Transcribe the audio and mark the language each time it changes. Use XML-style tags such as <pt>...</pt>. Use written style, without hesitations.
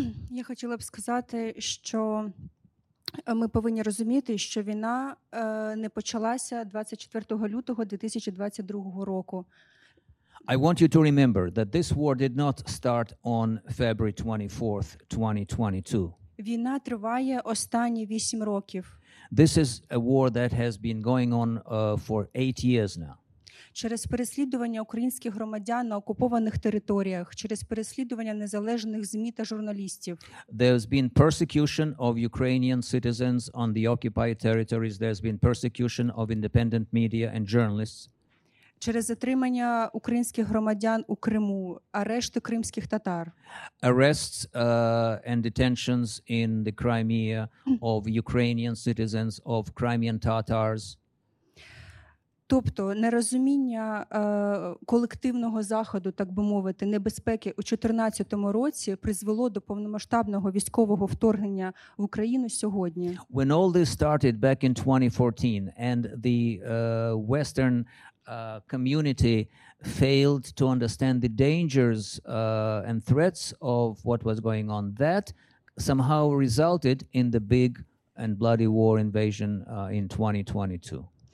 <uk>Я хотіла б сказати, що ми повинні розуміти, що війна не почалася 24 лютого 2022 року.</uk> <en>I want you to remember that this war did not start on February 24th, 2022.</en> <uk>Війна триває останні 8 років.</uk> <en>This is a war that has been going on for 8 years now.</en> <uk>Через переслідування українських громадян на окупованих територіях, через переслідування незалежних ЗМІ та журналістів.</uk> <en>There's been persecution of Ukrainian citizens on the occupied territories. There's been persecution of independent media and journalists.</en> <uk>Через затримання українських громадян у Криму, арешти кримських татар.</uk> <en>Arrests and detentions in the Crimea of Ukrainian citizens, of Crimean Tatars.</en> <uk>Тобто нерозуміння колективного заходу, так би мовити, небезпеки у 14-му році призвело до повномасштабного військового вторгнення в Україну сьогодні.</uk> <en>When all this started back in 2014 and the Western community failed to understand the dangers and threats of what was going on, that somehow resulted in the big and bloody war invasion in 2022.</en>